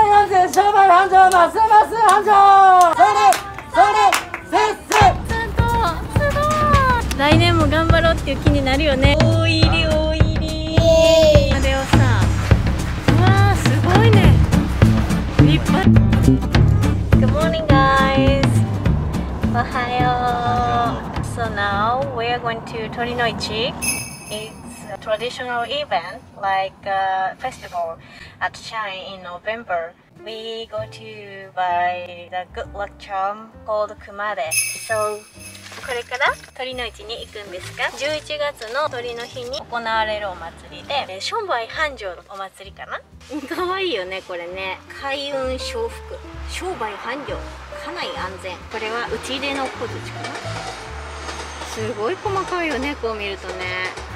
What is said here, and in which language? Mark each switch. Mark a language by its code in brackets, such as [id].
[ja] 戦商売繁盛ますます繁盛それそれせっせちゃんとすごい来年も頑張ろうっていう気になるよね。大入り大入りあれをさうわーすごいね立派。 [en] Good morning guys [ja] おはよう。 [en] So now we are going to Torinoichi. It's a traditional event like a festival at Shine in NovemberWe go to buy the good luck charm called Kumade. [ja] So, これから鳥の市に行くんですか ?11 月の鳥の日に行われるお祭りで、商売繁盛のお祭りかな。かわいいよね、これね。開運祥福。商売繁盛。家内安全。これは打ち入れの小槌かな。すごい細かいよね、こう見るとね。